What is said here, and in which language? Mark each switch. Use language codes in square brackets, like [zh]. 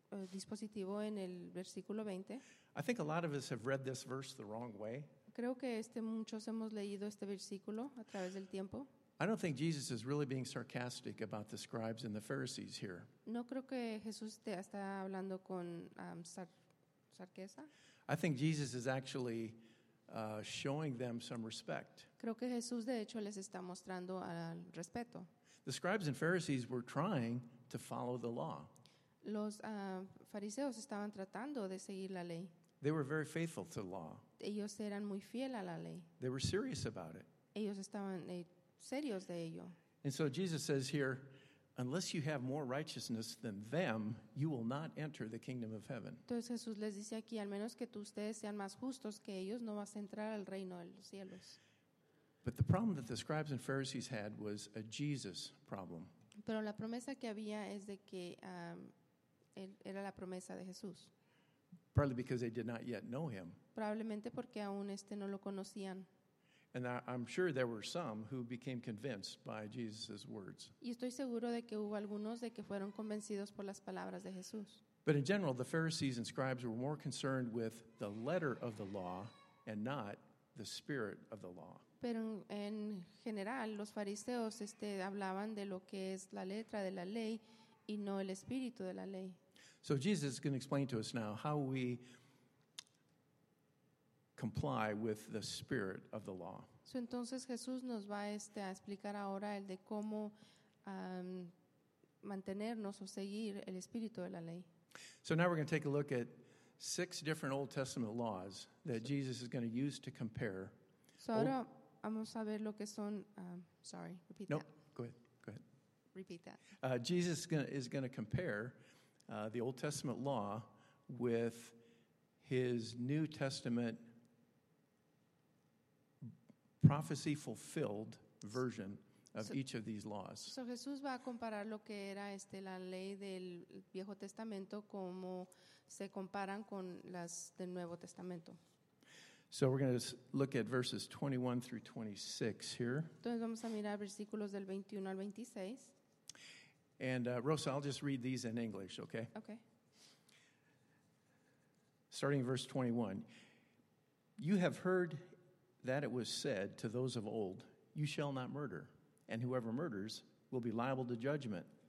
[es] dispositivo en el versículo 20. [en] I think a lot of us have read this verse the wrong way. [es] Creo que muchos hemos leído este versículo a través del tiempo. [en] I don't think Jesus is really being sarcastic about the scribes and the Pharisees here. [es] No creo que Jesús está hablando con sarcasmo. [en] I think Jesus is actually showing them some respect. [es] Creo que Jesús de hecho les está mostrando respeto. [en] The scribes and Pharisees were trying to follow the law. [es] Los fariseos estaban tratando de seguir la ley. [en] They were very faithful to the law. [es] Ellos eran muy fiel a la ley. [en] They were serious about it. [es] Ellos estaban serios de ello. [en] And so Jesus says here, unless you have more righteousness than them, you will not enter the kingdom of heaven. [es] Entonces Jesús les dice aquí, al menos que ustedes sean más justos que ellos, no vas a entrar al reino de los cielos. [en] But the problem that the scribes and Pharisees had was a Jesus problem. [es] Pero la promesa que había es de que era la promesa de Jesús. [en] Probably because they did not yet know him. [es] Probablemente porque aún no lo conocían. [en] And I'm sure there were some who became convinced by Jesus' words. [es] Y estoy seguro de que hubo algunos de que fueron convencidos por las palabras de Jesús. [en] But in general, the Pharisees and scribes were more concerned with the letter of the law and not the spirit of the law. [es] Pero en general, los fariseos hablaban de lo que es la letra de la ley y no el espíritu de la ley. [en] So Jesus is going to explain to us now how we comply with the spirit of the law. [es] So entonces Jesús nos va a explicar ahora el de cómo mantenernos o seguir el espíritu de la ley. [en] So now we're going to take a look at six different Old Testament laws that Jesus is going to use to compare. [es] So ahora vamos a ver lo que son, repeat [en] no, that. No, go ahead. Repeat that. Jesus is going to compare the Old Testament law with his New Testament prophecy fulfilled version of each of these laws. [es] So Jesús va a comparar lo que era la ley del Viejo Testamento como se comparan con las del Nuevo Testamento. [en] So we're going to look at verses 21 through 26 here. [es] Entonces vamos a mirar versículos del 21 al 26. [en] And Rosa, I'll just read these in English, okay? Okay. Starting in verse 21. You have heard that it was said to those of old, you shall not murder, and whoever murders will be liable to judgment.